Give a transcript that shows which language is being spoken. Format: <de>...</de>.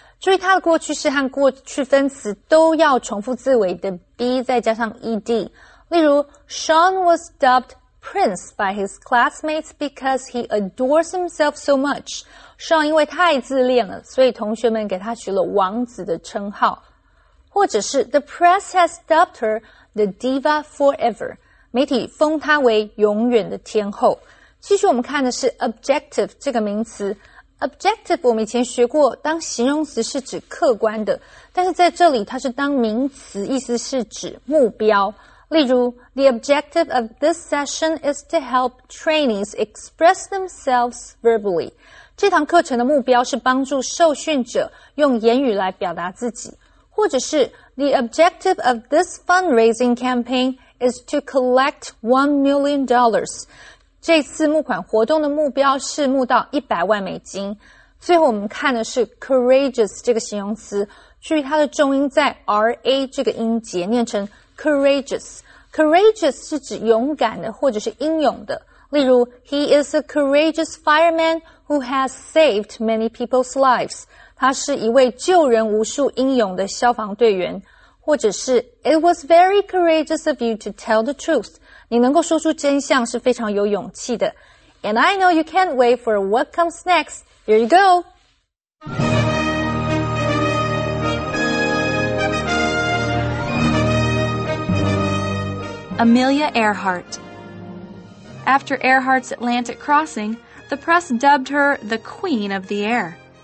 <zh>注意它的过去式和过去分词都要重复字尾的 be 再加上 ed。</zh> <en>例如 ,Sean was dubbed Prince by his classmates because he adores himself so much.</en> <zh>Sean 因为太自恋了所以同学们给他取了王子的称号。</zh> <en>或者是 ,The press has dubbed her the diva forever.</en> <zh>媒体封她为永远的天后。继续我们看的是 objective 这个名词。Objective 我们以前学过当形容词是指客观的但是在这里它是当名词意思是指目标例如 The objective of this session is to help trainees express themselves verbally 这堂课程的目标是帮助受训者用言语来表达自己或者是 The objective of this fundraising campaign is to collect $1 million 这次募款活动的目标是募到$1,000,000。最后我们看的是 courageous 这个形容词，注意它的重音在 RA 这个音节，念成 courageous。</zh> <en>courageous 是指勇敢的或者是英勇的。例如 ,He is a courageous fireman who has saved many people's lives.</en> <zh>他是一位救人无数英勇的消防队员。</zh> <en>或者是 ,It was very courageous of you to tell the truth.</en> <zh>你能够说出真相是非常有勇气的。</zh> <en>And I know you can't wait for what comes next. Here you go. Amelia Earhart. After Earhart's Atlantic crossing, the press dubbed her the Queen of the Air.</en>